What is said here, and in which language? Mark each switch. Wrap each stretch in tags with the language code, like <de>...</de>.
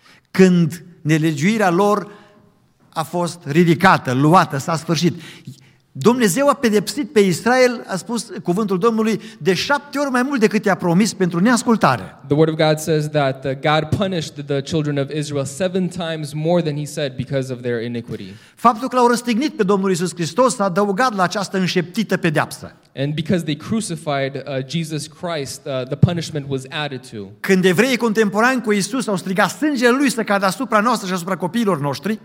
<ro>Când nelegiuirea lor a fost ridicată, luată, s-a sfârșit. Dumnezeu a pedepsit pe Israel, a spus cuvântul Domnului, de 7 ori mai mult decât i-a promis pentru neascultare.</ro> <en>The word of God says that God punished the children of Israel 7 times more than he said because of their iniquity.</en> <ro>Faptul că l-au răstignit pe Domnul Iisus Hristos s-a adăugat la această înșeptită pedeapsă.</ro> <en>And because they crucified Jesus Christ, the punishment was added to.</en> <ro>Când evreii contemporani cu Isus au strigat sângele lui să cadă asupra noastră și asupra copiilor noștri,</ro>